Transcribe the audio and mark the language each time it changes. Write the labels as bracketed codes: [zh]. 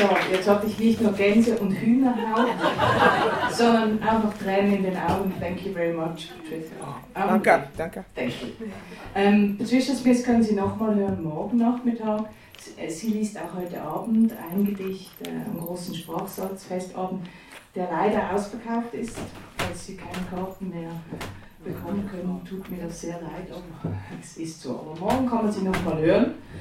[de] Jetzt hatte ich nicht nur Gänse und Hühnerhaut, sondern auch noch Tränen in den Augen. [en] Thank you very much, Patricia. [de] Danke. [en] Thank you. [de] Patricia Smith können Sie nochmal hören, morgen Nachmittag. Sie liest auch heute Abend ein Gedicht am großen Sprachsatz Festabend, der leider ausverkauft ist, weil Sie keine Karten mehr bekommen können. Tut mir das sehr leid, aber es ist so. Aber morgen kann man Sie nochmal hören.